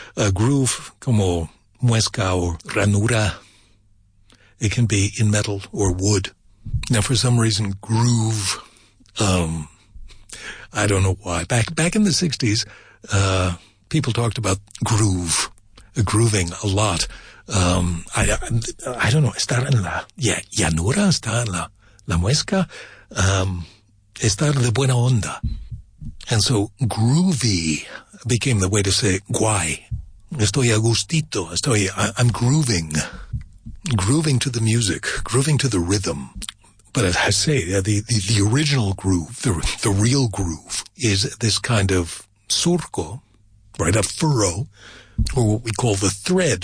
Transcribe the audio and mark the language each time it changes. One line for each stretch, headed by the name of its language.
English: A groove
Spanish: como muesca
English: or ranura. It can be in metal or wood. Now, for some reason, groove, I don't know why. Back in the 60s, people talked about groove, grooving a lot. I don't know.
Spanish: Estar en la llanura, estar en la muesca, estar de buena onda.
English: And so groovy became the way to say guay.
Spanish: Estoy a gustito.
English: I'm grooving. Grooving to the music, grooving to the rhythm. But as I say, the original groove, the real groove, is this kind of surco, right, a furrow, or what we call the thread.